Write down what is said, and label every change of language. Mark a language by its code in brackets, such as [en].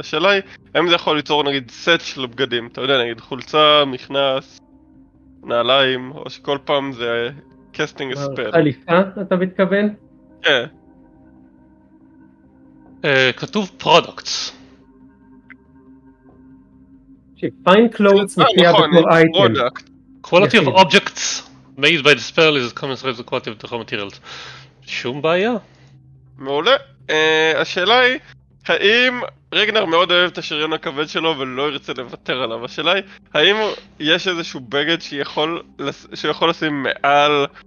[he] השאלה היא, האם זה יכול ליצור נגיד סט של בגדים? אתה יודע, נגיד חולצה, מכנס, נעליים, או שכל פעם זה קסטינג אספל. חליפה, אתה מתכוון? כתוב פרודקטס. Fine clothes מופיעה בכל אייטם. [en] Quality of objects made by the spell is a common threat of the quality of the materials. [he] שום בעיה? מעולה. השאלה היא, האם רגנר מאוד אוהב את השריון הכבד שלו ולא ירצה לוותר עליו? השאלה היא, האם יש איזשהו בגד שיכול לשים מעל...